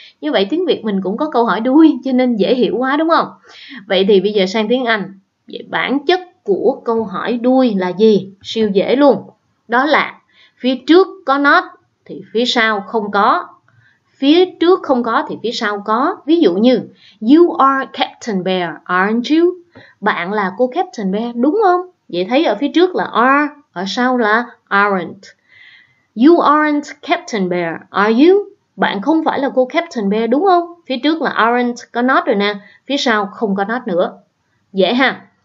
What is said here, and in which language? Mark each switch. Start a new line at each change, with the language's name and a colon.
Vietnamese: Như vậy tiếng Việt mình cũng có câu hỏi đuôi, cho nên dễ hiểu quá đúng không? Vậy thì bây giờ sang tiếng Anh. Vậy bản chất của câu hỏi đuôi là gì? Siêu dễ luôn. Đó là phía trước có not thì phía sau không có. Phía trước không có thì phía sau có. Ví dụ như
English: you are Captain Bear, aren't you?
Vietnamese: Bạn là cô Captain Bear, đúng không? Vậy thấy ở phía trước là are, ở sau là aren't.
English: You aren't Captain Bear, are you?
Vietnamese: Bạn không phải là cô Captain Bear, đúng không? Phía trước là aren't, có not rồi nè. Phía sau không có not nữa. Dễ ha?